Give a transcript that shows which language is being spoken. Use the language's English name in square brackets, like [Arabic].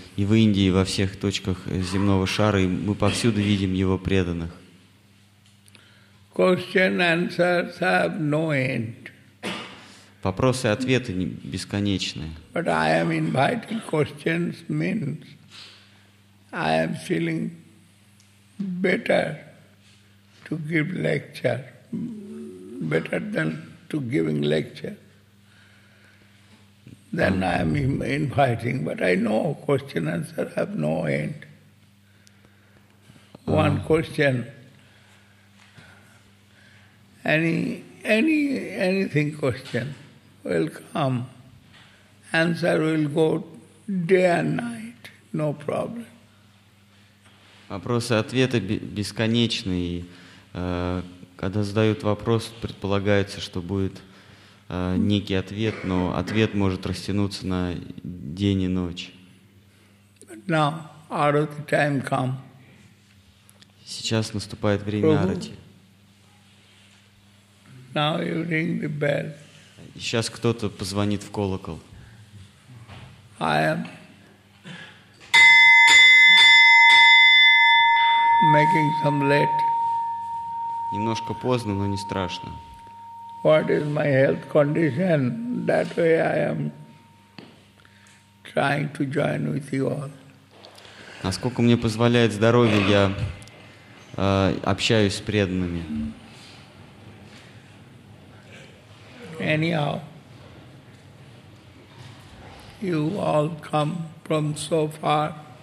[Russian] И в Индии, и во всех точках земного шара, и мы повсюду видим его преданных. [English] Question-answers have no end. [Russian] Вопросы и ответы бесконечные. [English] But I am inviting questions means I am feeling better to give lecture, better than to giving lecture. Then I am inviting, but I know question answer have no end. one question. Anything question will come. Answer will go day and night, no problem. [Russian] Вопросы и ответы бесконечны. И, когда задают вопрос, предполагается, что будет некий ответ, но ответ может растянуться на день и ночь. [English] Now, Arati time come. [Russian] Сейчас наступает время Арати. [English] Now you ring the bell. [Russian] Сейчас кто-то позвонит в колокол. [English] I am making some late. [Russian] Немножко поздно, но не страшно. [English] What is my health condition? That way I am trying to join with you all. [Russian] Насколько мне позволяет здоровье, я общаюсь с преданными. [English] Anyhow, you all come from so far.